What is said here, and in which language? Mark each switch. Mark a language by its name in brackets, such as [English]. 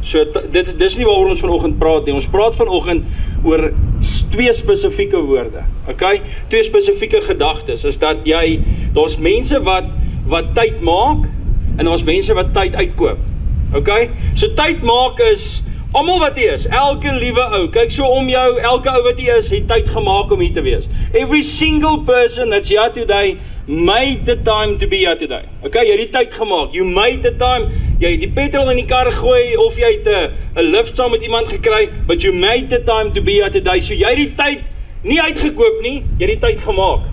[Afrikaans] So dis nie waar ons vanoggend praat nie, ons praat vanoggend oor twee spesifieke woorde, ok? Twee spesifieke gedagtes, is dat jy, daar is mense wat tyd maak, en daar is mense wat tyd uitkoop, ok? So tyd maak is almal wat hier is, elke liewe ou, kyk so om jou, elke ou wat hier is, het tyd gemaak om hier te wees. [English] Every single person that's here today, made the time to be here today. [Afrikaans] Ok, jy het die tyd gemaak, [English] you made the time, [Afrikaans] jy het die petrol in die kar gegooi, of jy het een lift saam met iemand gekry, [English] but you made the time to be here today. [Afrikaans] So jy het die tyd nie uitgekoop nie, jy het die tyd gemaak.